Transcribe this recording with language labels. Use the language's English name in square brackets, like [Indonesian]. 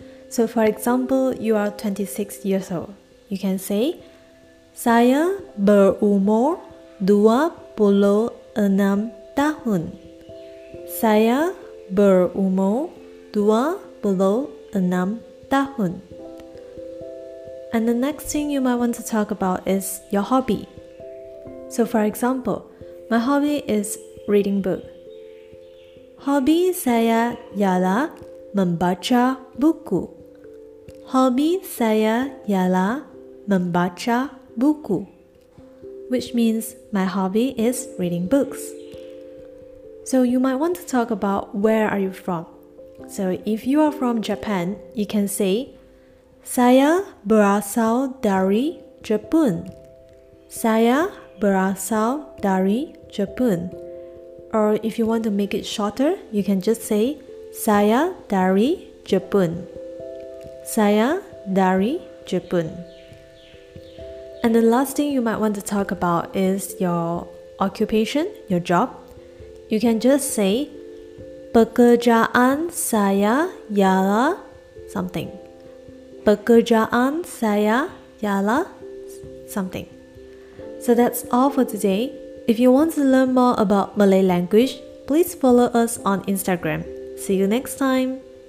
[English] So for example, you are 26 years old. You can say, [Malay] Saya berumur 26 tahun. Saya berumur 26 tahun. [English] And the next thing you might want to talk about is your hobby. So for example, my hobby is reading book. [Malay] Hobi saya ialah membaca buku. Hobi saya ialah membaca buku. [English] Which means my hobby is reading books. So you might want to talk about where are you from. So if you are from Japan, you can say [Malay] Saya berasal dari Jepun. Saya berasal dari Jepun. [English] Or if you want to make it shorter, you can just say [Malay] Saya dari Jepun. Saya dari Jepun. [English] And the last thing you might want to talk about is your occupation, your job. You can just say [Malay] Pekerjaan saya ialah [English] something. [Malay] Pekerjaan saya ialah something. [English] So that's all for today. If you want to learn more about Malay language, please follow us on Instagram. See you next time!